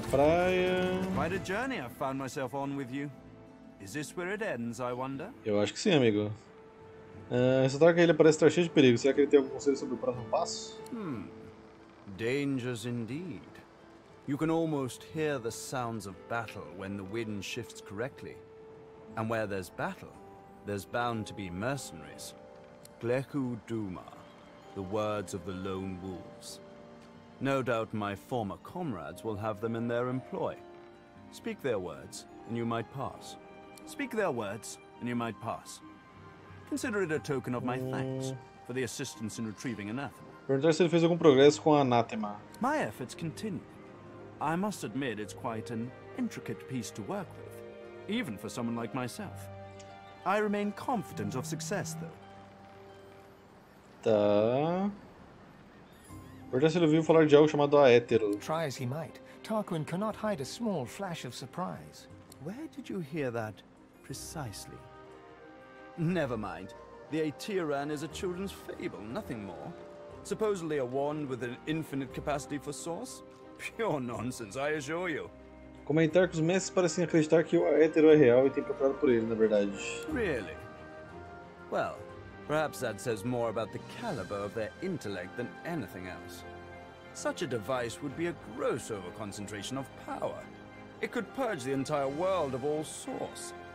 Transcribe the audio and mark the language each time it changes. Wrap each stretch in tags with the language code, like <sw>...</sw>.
<en>Quite a journey I found myself on with you. Is this where it ends, I wonder?</en> <pt>Eu acho que sim, amigo. Só tá que ele parece estar cheio de perigo. Será que ele tem algum conselho sobre o próximo passo?</pt> <en>Dangers indeed. You can almost hear the sounds of battle when the wind shifts correctly. And where there's battle, there's bound to be mercenaries. Gleku Duma, the words of the lone wolves. No doubt my former comrades will have them in their employ. Speak their words, and you might pass. Speak their words, and you might pass. Consider it a token of my thanks for the assistance in retrieving anathema.</en> <pt>Perguntar se ele fez algum progresso com a anathema.</pt> <en>My efforts continue. I must admit it's quite an intricate piece to work with, even for someone like myself. I remain confident of success, though.</en> <pt>Tá. Perguntar se ele ouviu falar de algo chamado aétero.</pt> <en>Try as he might. Tarquin cannot hide a small flash of surprise. Where did you hear that precisely? Never mind. The Aetiran is a children's fable, nothing more. Supposedly a wand with an infinite capacity for source? Pure nonsense, I assure you.</en> <pt>Comentar que os mestres parecem acreditar que o aétero é real e tem procurado por ele, na verdade.</pt> <en>Really? Well, perhaps that says more about the caliber of their intellect than anything else. Such a device would be a gross overconcentration of power. It could purge the entire world of all source.</en>